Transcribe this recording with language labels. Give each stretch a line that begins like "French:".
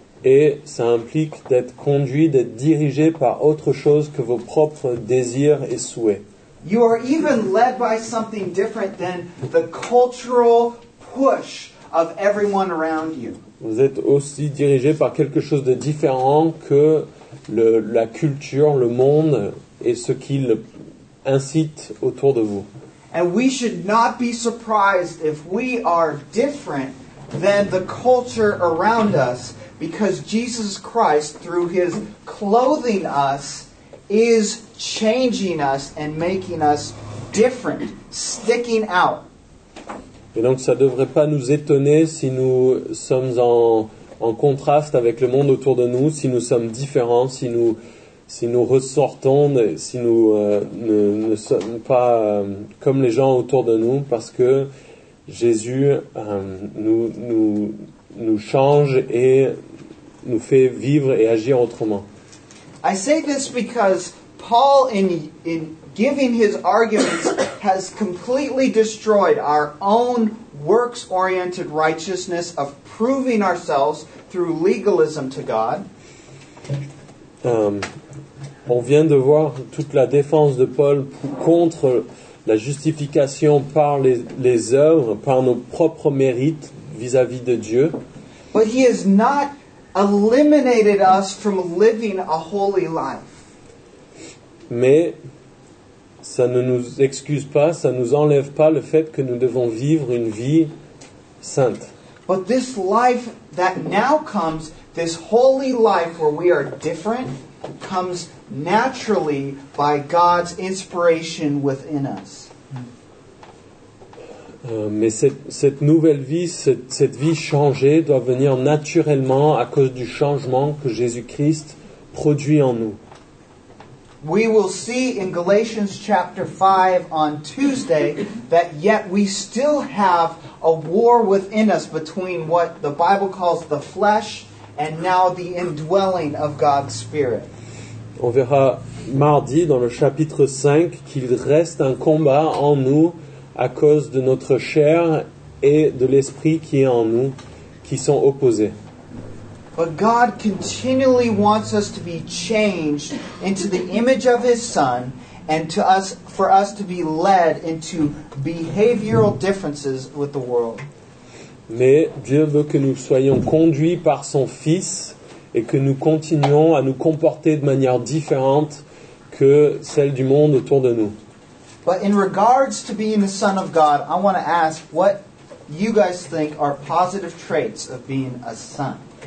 French: Et ça implique d'être conduit, d'être dirigé par autre chose que vos propres désirs et souhaits.
English: You are even led by something different than the cultural push of everyone around you.
French: Vous êtes aussi dirigé par quelque chose de différent que la culture, le monde et ce qu'il incite autour de vous.
English: And we should not be surprised if we are different than the culture around us, because Jesus Christ, through his clothing us, is changing us and making us different, sticking out.
French: Et donc ça ne devrait pas nous étonner si nous sommes en contraste avec le monde autour de nous, si nous sommes différents, si nous ressortons, si nous ne sommes pas comme les gens autour de nous, parce que Jésus nous change et nous fait vivre et agir autrement.
English: I say this because Paul in giving his arguments has completely destroyed our own works-oriented righteousness of proving ourselves through legalism to God.
French: On vient de voir toute la défense de Paul contre la justification par les œuvres, par nos propres mérites vis-à-vis de Dieu.
English: But he has not eliminated us from living a holy life.
French: Mais ça ne nous excuse pas, ça ne nous enlève pas le fait que nous devons vivre une vie sainte.
English: But this life that now comes, this holy life where we are different, comes naturally by God's inspiration within us.
French: Mais cette nouvelle vie, cette vie changée doit venir naturellement à cause du changement que Jésus-Christ produit en nous.
English: We will see in Galatians chapter 5 on Tuesday that yet we still have a war within us between what the Bible calls the flesh and now the indwelling of God's Spirit.
French: On verra mardi dans le chapitre 5 qu'il reste un combat en nous à cause de notre chair et de l'esprit qui est en nous, qui sont opposés.
English: But God continually wants us to be changed into the image of His Son and for us to be led into behavioral differences with the world.
French: Mais Dieu veut que nous soyons conduits par Son Fils et que nous continuions à nous comporter de manière différente que celle du monde autour de nous.
English: But in regards to being the Son of God, I want to ask what you guys think are positive traits of being a son.